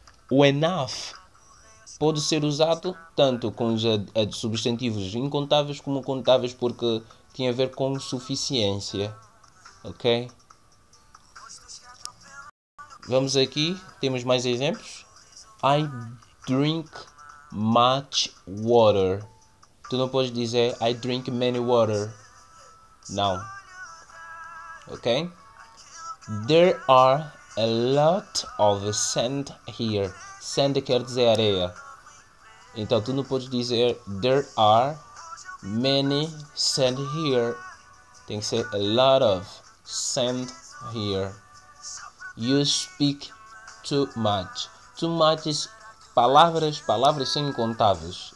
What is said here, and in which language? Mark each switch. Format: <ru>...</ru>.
<pt>O enough pode ser usado tanto com os substantivos incontáveis como contáveis, porque tem a ver com suficiência. Ok? Vamos aqui, temos mais exemplos.</pt> <en>I drink much water.</en> <pt>Tu não podes dizer</pt> <en>I drink many water.</en> <pt>Não. Ok?</pt> <en>There are a lot of sand here.</en> <pt>Sand quer dizer areia. Então, tu não podes dizer</pt> <en>there are many sand here.</en> <pt>Tem que ser</pt> <en>a lot of sand here. You speak too much. Too much is</en> <pt>palavras são incontáveis.</pt>